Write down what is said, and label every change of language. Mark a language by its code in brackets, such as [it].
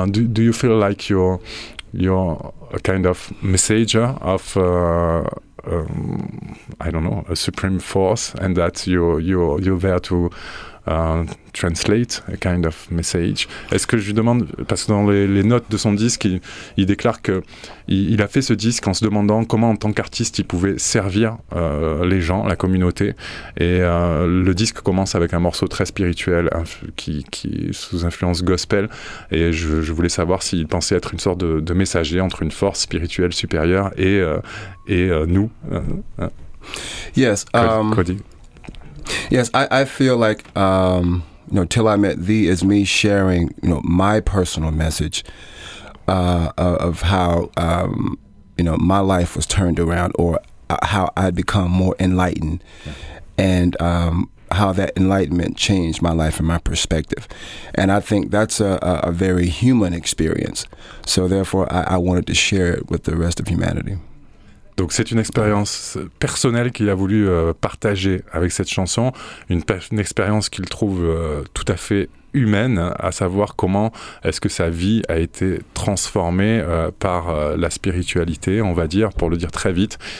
[en] Do you feel like you're a kind of messenger of I don't know, a supreme force, and that you're there to translate a kind of message? [fr] Est-ce que je lui demande, parce que dans les notes de son disque, il déclare qu'il a fait ce disque en se demandant comment, en tant qu'artiste, il pouvait servir les gens, la communauté. Et le disque commence avec un morceau très spirituel qui sous influence gospel. Et je voulais savoir s'il pensait être une sorte de messager entre une force spirituelle supérieure et nous. [en] Yes, Cody. Yes, I feel like, you know, Till I Met Thee is me sharing, you know, my personal message of how, you know, my life was turned around, or how I had become more enlightened, and how that enlightenment changed my life and my perspective. And I think that's a very human experience. So therefore, I wanted to share it with the rest of humanity. [fr] Donc c'est une expérience personnelle qu'il a voulu partager avec cette chanson, une expérience qu'il trouve tout à fait humaine, à savoir comment est-ce que sa vie a été transformée par la spiritualité, on va dire, pour le dire très vite.